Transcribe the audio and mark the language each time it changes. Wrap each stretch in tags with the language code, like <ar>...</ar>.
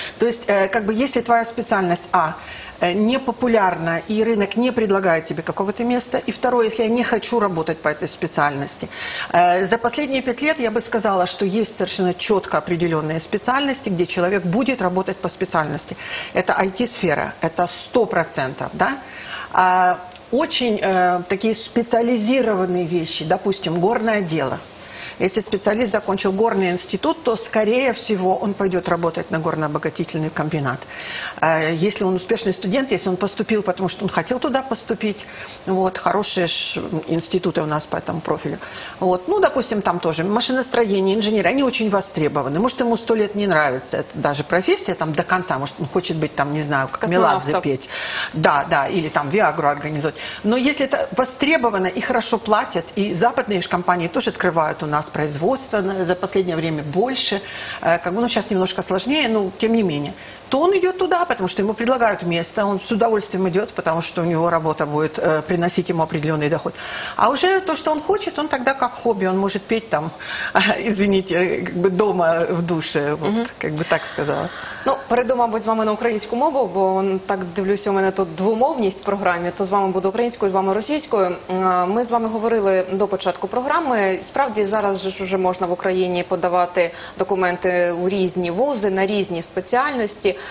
<ru>То есть, как бы, если твоя специальность, непопулярна, и рынок не предлагает тебе какого-то места, и второе, если я не хочу работать по этой специальности. За последние 5 лет я бы сказала, что есть совершенно четко определенные специальности, где человек будет работать по специальности. Это IT-сфера, это 100%, да? Очень такие специализированные вещи, допустим, горное дело. Если специалист закончил горный институт, то, скорее всего, он пойдет работать на горно-обогатительный комбинат. Если он успешный студент, если он поступил, потому что он хотел туда поступить, вот, хорошие институты у нас по этому профилю. Вот, ну, допустим, там тоже машиностроение, инженеры, они очень востребованы. Может, ему 100 лет не нравится это даже профессия, там до конца, может, он хочет быть там, не знаю, как Меладзе петь. Да, да, или там Виагру организовать. Но если это востребовано и хорошо платят, и западные же компании тоже открывают у нас производства за последнее время больше, как бы, ну, сейчас немножко сложнее, но тем не менее. то он идет туда, потому что ему предлагают место, он с удовольствием идет, потому что у него работа будет приносить ему определенный доход. А уже то, что он хочет, он тогда как хобби, он может петь там, извините, как бы дома в душе, вот, как бы так сказала.</ru> <uk>Ну, передумав з вами на українську мову, бо он, так дивлюся, у мене тут двомовність в програмі, то з вами буду українською, з вами російською. Ми з вами говорили до початку програми, справді зараз ж вже можна в Україні подавати документи у різні вузи, на різні спеціальності.</uk>